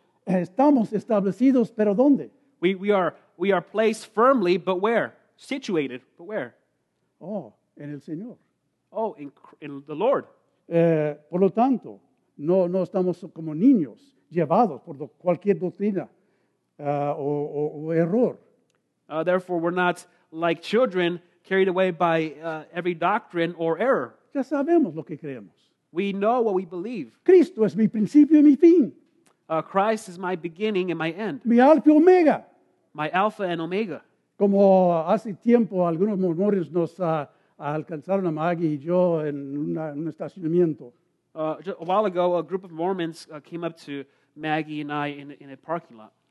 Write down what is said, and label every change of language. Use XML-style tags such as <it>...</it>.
<es>Estamos establecidos, pero ¿dónde?</es> <en>We are placed firmly, but where? Situated, but where?</en> <es>Oh. En el Señor.</es> <en>Oh, in the Lord.</en> <es>Por lo tanto, no estamos como niños llevados por cualquier doctrina o error.</es> <en>Therefore, we're not like children carried away by every doctrine or error.</en> <es>Ya sabemos lo que creemos.</es> <en>We know what we believe.</en> <es>Cristo es mi principio y mi fin.</es> <en>Christ is my beginning and my end.</en> <es>Mi alfa y omega.</es> <en>My alpha and omega.</en> <es>Como hace tiempo algunos mormones nos alcanzaron a Maggie y yo en un estacionamiento.</es> <en>A while ago, a group of Mormons came up to Maggie and I in a parking lot.</en>